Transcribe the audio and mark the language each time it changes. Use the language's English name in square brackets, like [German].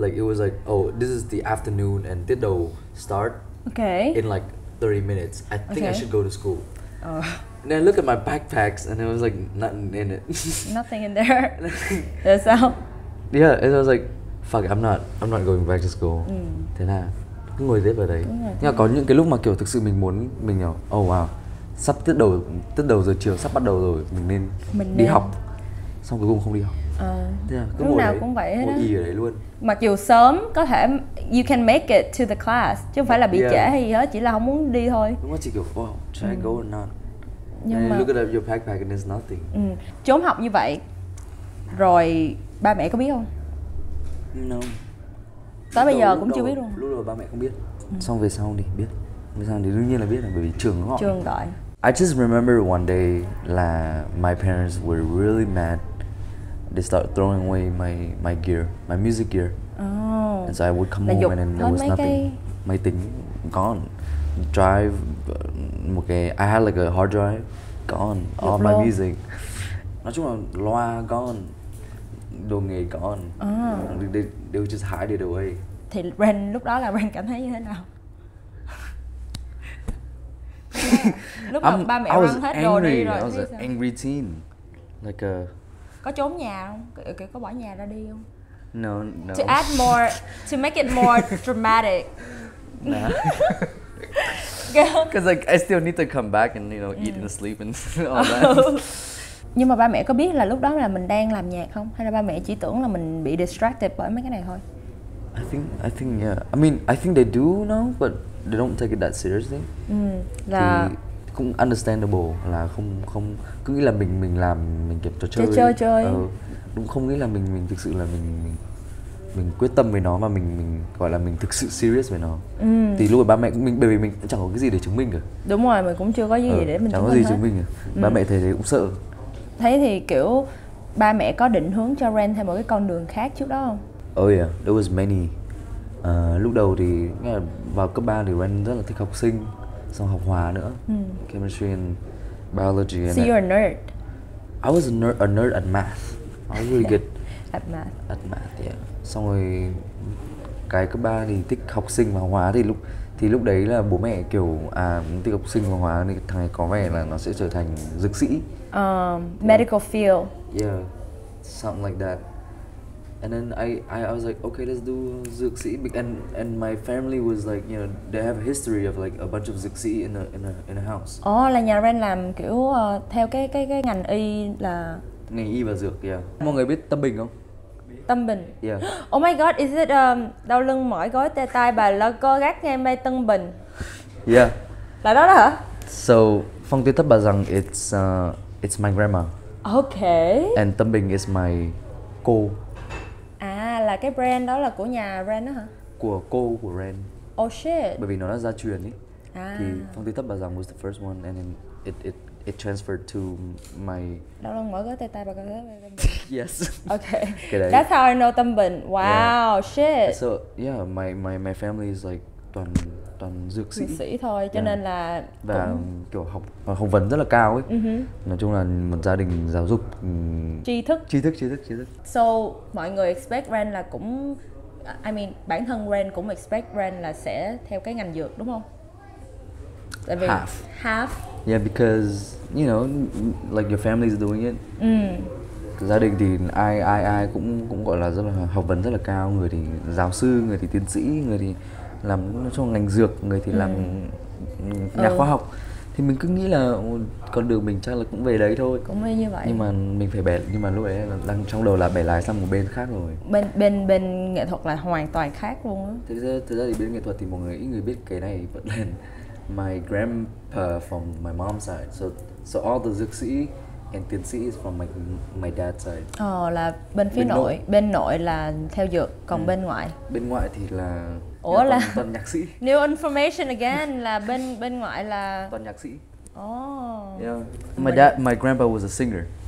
[English] Like it was like oh this is the afternoon and did the start. Okay. In like 30 minutes. I think okay. I should go to school. Oh. And I look at my backpacks and there was like nothing in it. Nothing in there. That's all. Yeah, and I was like, fuck, I'm not going back to school. [Vietnamese] Mm. Thế là cứ ngồi tiếp ở đấy. Nhưng mà có những cái lúc mà kiểu thực sự mình muốn, mình kiểu, [English] oh wow, [Vietnamese] sắp tiết đầu giờ chiều sắp bắt đầu rồi, mình nên đi học. Xong cuối cùng không đi học. Lúc nào đấy, cũng vậy hết á. Ngồi ở đấy luôn. Mặc dù sớm có thể [English] you can make it to the class, [Vietnamese] chứ không phải là bị trễ hay gì hết, chỉ là không muốn đi thôi. Đúng rồi, chỉ kiểu, [English] wow, should I go or not? [Vietnamese] Nhưng mà... [English] look at your backpack and there's nothing. [Vietnamese] Ừ. Trốn học như vậy, rồi ba mẹ có biết không? [English] No. [Vietnamese] Tới bây giờ cũng chưa biết luôn. Lúc đầu ba mẹ không biết. Ừ. Xong về sau thì biết. Về sau thì đương nhiên là biết, bởi vì trường đúng không? Trường gọi. [English] I just remember one day [Vietnamese] là [English] my parents were really mad. They start throwing away my gear, my music gear. Oh. And so I would come [Vietnamese] là [English] home and then there was nothing. Cái... [Vietnamese] máy tính [English] gone. Drive, một cái, I had like a hard drive gone. Dục all luôn. My music. [Vietnamese] Nói chung là loa gone, đồ nghề gone. Oh. [English] They would just hide it away. [Vietnamese] Thì Ren lúc đó là Ren cảm thấy như thế nào? Lúc mà ba mẹ mang hết [English] angry. [Vietnamese] Đồ đi rồi. [English] I was an angry teen. Like a... [Vietnamese] có trốn nhà không? Có bỏ nhà ra đi không? [English] No. To add more, to make it more dramatic. Nah. Because like I still need to come back and you know eat and sleep and all that. [Vietnamese] Nhưng mà ba mẹ có biết là lúc đó là mình đang làm nhạc không? Hay là ba mẹ chỉ tưởng là mình bị distracted bởi mấy cái này thôi? [English] I think yeah. I mean I think they do know, but they don't take it that seriously. [Vietnamese] Là cũng understandable là không cứ nghĩ là mình làm mình kiểu trò chơi. Chơi. Đúng, không nghĩ là mình thực sự là mình quyết tâm với nó và mình gọi là mình thực sự serious với nó. Thì lúc đó ba mẹ mình bởi vì mình cũng chẳng có cái gì để chứng minh cả. Đúng rồi, mình cũng chưa có gì để mình chứng minh. Chẳng có gì chứng minh cả. Ba mẹ thấy thì cũng sợ. Thế thì kiểu ba mẹ có định hướng cho Ren theo một cái con đường khác trước đó không? [English] Oh yeah, there was many. [Vietnamese] Lúc đầu thì vào cấp 3 thì Ren rất là thích học sinh. Xong học hóa nữa. [English] Chemistry and biology. So you're a nerd. I was a nerd at math. I was really good. At math. At math, yeah. [Vietnamese] Xong rồi cái cấp 3 thì thích học sinh và học hóa thì lúc đấy là bố mẹ kiểu à thích học sinh và học hóa thì thằng này có vẻ là nó sẽ trở thành dược sĩ. [English] Medical field. Yeah. Something like that. And then I was like, okay, let's do dược sĩ. And my family was like, you know, they have a history of like a bunch of dược sĩ in a house. [Vietnamese] Oh, là nhà Ren làm kiểu theo cái ngành y là ngành y và dược, yeah. Mọi người biết Tâm Bình không? Tâm Bình. [English] Yeah. Oh my god, is it [Vietnamese] đau lưng mỏi gối tê tai bà lơ cơ gác nghe mê Tân Bình? [English] Yeah. [Vietnamese] Là đó đó hả? [English] So Phong tuyên thất bà rằng it's my grandma. Okay. And Tâm Bình is my cô. [Vietnamese] Là cái brand đó là của nhà Ren đó hả? Của cô của Ren. [English] Oh shit. [Vietnamese] Bởi vì nó đã gia truyền ý. [English] Thì Phong Tuyết Thất Bà Rằng was the first one and then it transferred to my... [Vietnamese] Đâu luôn, mỗi gói tay tay bà có gói. [English] Yes. Okay. That's how I know Tâm Bình. Wow, yeah. Shit. So yeah, my family is like [Vietnamese] toàn dược sĩ. Dược sĩ thôi, cho nên là... Và cũng... kiểu học vấn rất là cao ấy. Nói chung là một gia đình giáo dục... Tri thức. So, mọi người expect Ren là cũng... [English] I mean, [Vietnamese] bản thân Ren cũng expect Ren là sẽ theo cái ngành dược, đúng không? Tại vì half. Half. Yeah, because, you know, like your family is doing it. Gia đình thì ai cũng gọi là rất là học vấn rất là cao. Người thì giáo sư, người thì tiến sĩ, người thì... làm trong ngành dược, người thì làm nhà khoa học. Thì mình cứ nghĩ là con đường mình chắc là cũng về đấy thôi. Cũng như vậy. Nhưng mà mình phải bẻ, nhưng mà lúc ấy là đang trong đầu là bẻ lái sang một bên khác rồi. Bên nghệ thuật là hoàn toàn khác luôn á. Thực ra thì bên nghệ thuật thì mọi người ít người biết cái này. [English] But then my grandpa from my mom's side. So all the dược sĩ and tiến sĩ is from my dad's side. [Vietnamese] Ồ, là bên phía nội. Bên nội là theo dược, còn bên ngoại. Bên ngoại thì là... ủa là toàn nhạc sĩ. [English] New information again [Vietnamese] là bên ngoại là toàn nhạc sĩ. Oh. [English] Yeah. My grandpa was a singer.